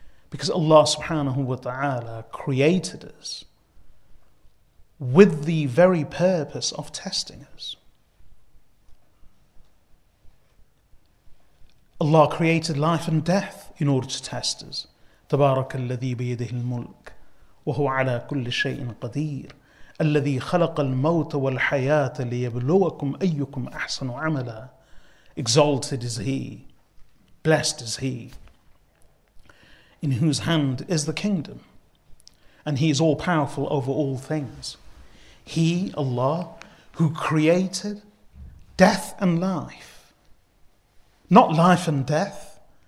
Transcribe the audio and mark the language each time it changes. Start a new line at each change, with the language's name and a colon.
English: Because Allah subhanahu wa ta'ala created us with the very purpose of testing us. Allah created life and death in order to test us.
Arabic: تبارك الذي بيده الملك وهو على كل شيء قدير الذي خلق الموت والحياة ليبلوكم أيكم أحسن عملا.
English: Exalted is He. Blessed is He, in whose hand is the kingdom, and He is all powerful over all things. He, Allah, who created death and life, not life and death.